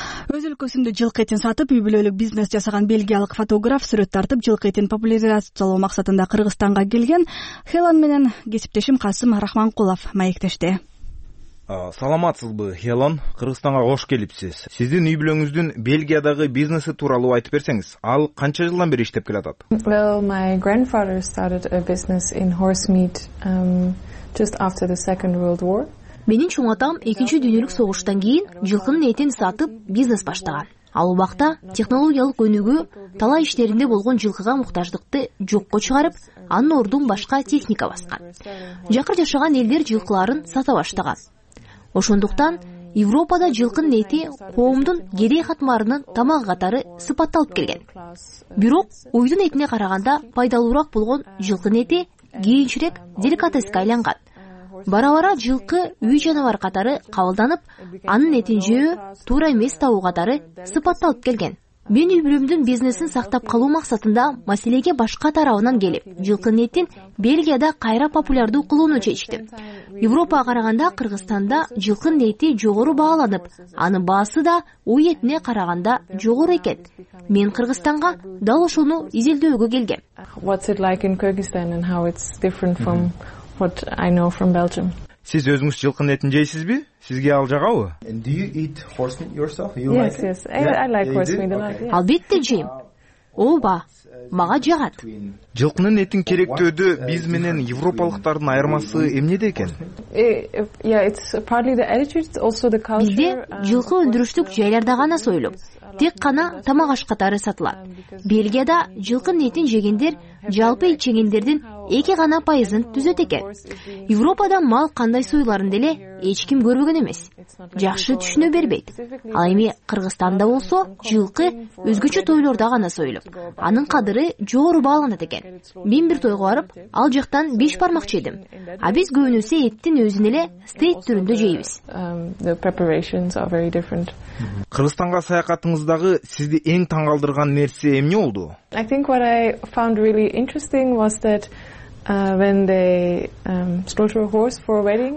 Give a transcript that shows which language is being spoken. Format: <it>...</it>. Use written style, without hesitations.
<ky>Өз өлкөсүндө жылкы этин сатып, үй бүлөлүк бизнес жасаган бельгиялык фотограф сүрөт тартып жылкы этин популяризациялоо максатында Кыргызстанга келген. Хелан менен кесиптешим Касым Рахманкулов маектеште. Саламатсызбы, Хелан? Кыргызстанга кош келипсиз. Сиздин үй бүлөңүздүн Бельгиядагы бизнеси тууралуу айтып берсеңиз, ал канча жылдан бери иштеп келе жатат?</ky> <en>Well, my grandfather started a business in horse meat just after the Second World War.</en> <ky>Менин чоң атам 2-нчү дүйнөлүк согуштан кийин жылкынын этин сатып бизнес баштаган. Ал убакта технологиялык өнүгүү талаа иштеринде болгон жылкыга муктаждыкты жокко чыгарып, анын ордун башка техника баскан. Жакыр жашаган элдер жылкыларын сата баштаган. Ошондуктан Европада жылкынын эти коомдун керек катмарынын тамагы катары сыпатталып келген. Бирок уйдун этине караганда пайдалуураак болгон жылкынын эти кийинчерээк деликатеске айланган. Бара-бара жылкы үй жаныбар катары кабылданып, анын этин жөө туура эмес табуу катары сыпатталып келген. Мен үй бүлөмдүн бизнесин сактап калуу максатында маселеге башка тарабынан келип, жылкынын этин Бельгияда кайра популярдуу кылууну чечтим. Европага караганда Кыргызстанда жылкынын эти жогору бааланып, анын баасы да уй этине караганда жогору экен. Мен Кыргызстанга дал ошону изилдөөгө келгем.</ky> <en>What's it like in Kyrgyzstan and how it's different from what I know from Belgium.</en> <ky>Сиз өзүңүз жылкынын этин жейсизби? Сизге ал жагабы?</ky> <en>Do you eat horse meat yourself? Yes, I like horse meat a lot.</en> <ky>Албетте жейм. Ооба, мага жагат. Жылкынын этин керектөөдө биз менен европалыктардын айырмасы эмнеде экен? Бизде жылкы өндүрүштүк жайларда гана союлуп, тек гана тамак аш катары сатылат. Бельгияда жылкынын этин жегендер жалпы эт жегендердин 2% түзөт экен. Европада мал кандай союларын деле эч ким көрбөгөн эмес. Жакшы түшүнө бербейт. Ал эми Кыргызстанда болсо, жылкы өзгөчө тойлордо гана союлуп, анын кадыры жогору бааланат экен. Мен бир тойго барып, ал жактан 5 бармак жедим. А биз көбүнөсө эттин өзүн эле стейк түрүндө жейбиз. Кыргызстанга саякатыңыздагы сизди эң таң калтырган нерсе эмне болду?</ky> <en>I think what I found really interesting was that when they stroke a horse for a wedding.</en>